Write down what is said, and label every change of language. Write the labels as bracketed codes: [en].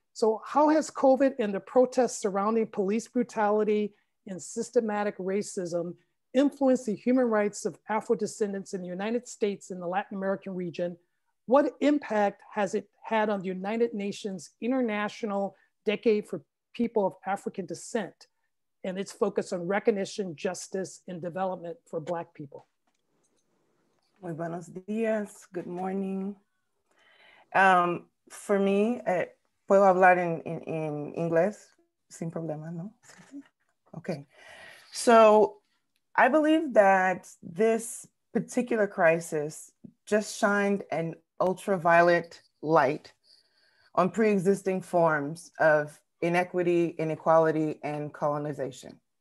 [en] So how has COVID and the protests surrounding police brutality and systematic racism influenced the human rights of Afro-descendants in the United States and the Latin American region? What impact has it had on the United Nations International Decade for People of African Descent and its focus on recognition, justice, and development for Black people? [es] Muy buenos dias, [en] good morning. For me, [es] puedo hablar in inglés, sin problema, no? [en] Okay. So I believe that this particular crisis just shined an ultraviolet light on pre-existing forms of inequity, inequality, and colonization.